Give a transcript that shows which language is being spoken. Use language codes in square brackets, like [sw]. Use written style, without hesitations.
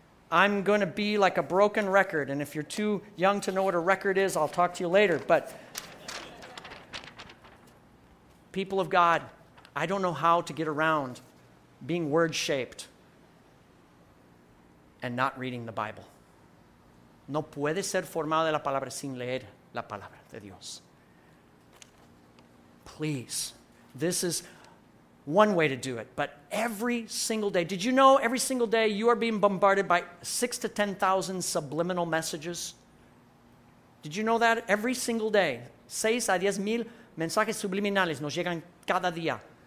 [en] I'm going to be like a broken record, and if you're too young to know what a record is, I'll talk to you later, but people of God, I don't know how to get around being word-shaped and not reading the Bible. [es] No puede ser formado de la palabra sin leer la palabra de Dios. [en] Please, this is one way to do it, but every single day, did you know every single day you are being bombarded by 6,000 to 10,000 subliminal messages? Did you know that? Every single day, [es] 6 a 10,000 mensajes subliminales nos llegan cada día.